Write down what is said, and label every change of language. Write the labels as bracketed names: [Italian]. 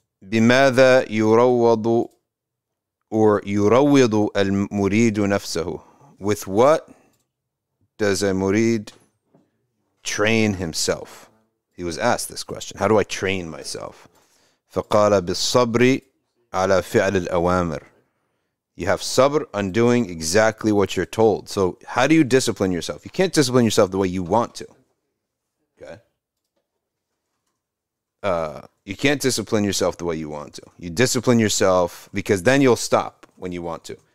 [Arabic] بماذا يروض or يروض المريد نفسه? [English] With what does a murid train himself? He was asked this question. How do I train myself? [Arabic] فقال بالصبر على فعل الأوامر. [English] You have sabr on doing exactly what you're told. So how do you discipline yourself? You can't discipline yourself the way you want to. Okay. You can't discipline yourself the way you want to. You discipline yourself because then you'll stop when you want to.